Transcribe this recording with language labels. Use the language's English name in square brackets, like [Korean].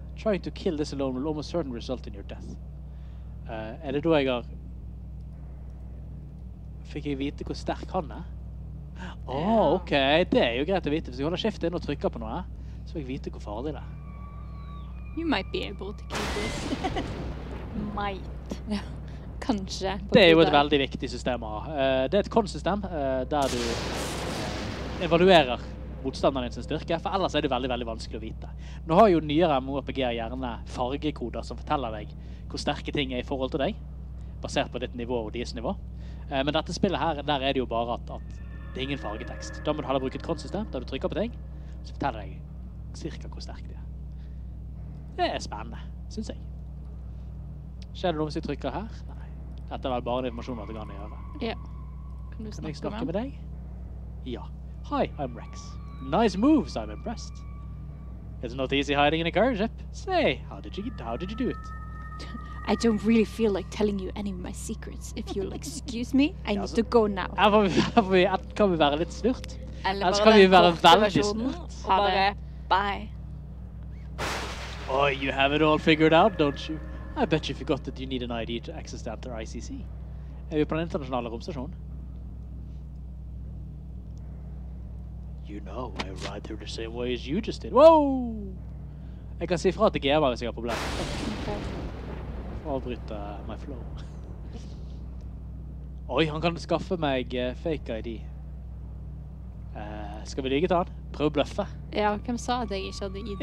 [English] Trying to kill this alone will almost certain result in your death. [Norwegian] Er det da jeg har... Fikk jeg vite hvor sterk han er? Åh, oh, ok. Det er jo greit å vite. Hvis jeg holder skiftet inn og trykker på noe, så fikk jeg vite hvor farlig det er. [English] You might be able to kill this. Might. [Norwegian] Ja, kanskje. Det er jo et veldig viktig system å ha. Det er et konsystem der du evaluerer motstanderen din sin styrke, for ellers er det veldig, veldig vanskelig å vite. Nå har jo nyere MMORPG gjerne fargekoder som forteller deg hvor sterke ting er i forhold til deg, basert på ditt nivå og deres nivå. Men dette spillet her, der er det jo bare at det er ingen fargetekst. Da må du heller bruke et konsystem, da du trykker på ting, så forteller jeg cirka hvor sterk det er. Det er spennende, synes jeg. Skjer det noe hvis jeg trykker her? Nei. Dette er vel bare informasjonen at jeg kan gjøre. Ja. Kan du snakke, kan jeg snakke med deg? Ja. [English] Hi, I'm Rex. Nice moves, I'm impressed. It's not easy hiding in a cargo ship. Say, how did you do it? I don't really feel like telling you any of my secrets. If you'll excuse me, I need to go now. [Norwegian] Kan vi være litt snurt? Eller kan vi være veldig snurt? Ha det. [English] Bye. Oh, you have it all figured out, don't you? I bet you forgot that you need an ID to access the Antar ICC. [Norwegian] Er vi på den internasjonale romstasjonen? [English] You know, I ride through the same way as you just did. Whoa! [Norwegian] Jeg kan si fra til GMA hvis jeg har problemer. [English] Okay. [Norwegian] Avbryte [English] my flow. [Norwegian] Oi, han kan skaffe meg fake ID. Skal vi lyge til han? Prøv å bløffe. Ja, hvem sa at jeg ikke hadde ID?